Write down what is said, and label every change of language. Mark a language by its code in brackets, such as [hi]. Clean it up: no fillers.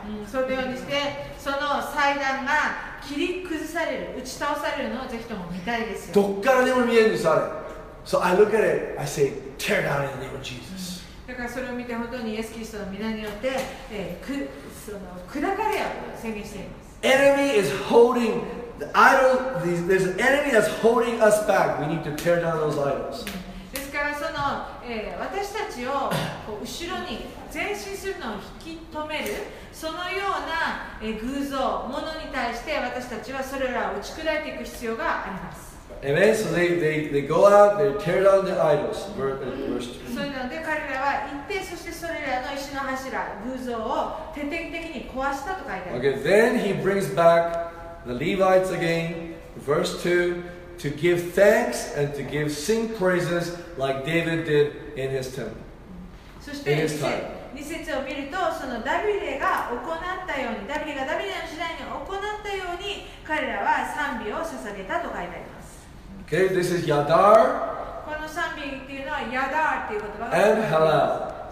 [ja] そのようにして、その祭壇が切り崩される、打ち倒されるのをぜひとも見たいですよ。どっからでも見えるんです、あれ。 [en] So I look at it, I say, tear down in the name of Jesus. [ja] だからそれを見て本当にイエスキリストの皆によって、その砕かれやと宣言しています。 [en] Enemy is holding the idol, there's an enemy that's holding us back. We need to tear down those idols. [ja] ですからその、私たちをこう後ろに前進するのを引き止める、そのような、偶像ものに対して私たちはそれらを打ち砕いていく必要があります。 [en] Amen. So they go out, they tear down the idols. Verse 2. [ja] そういうので彼らは行って、そしてそれらの石の柱、偶像を徹底的に壊したと書いてある。 [en] Okay. Then he brings back the Levites again, verse 2, to give thanks and to give sing praises like David did in his temple. [ja] そして2節を見ると、そのダビデが行ったように、ダビデがダビデの時代に行ったように、彼らは賛美を捧げたと書いてあります。 [en] Okay, this is Yadar. [ja] この賛美っていうのは Yadar っていう言 [en] 葉が。And Halal.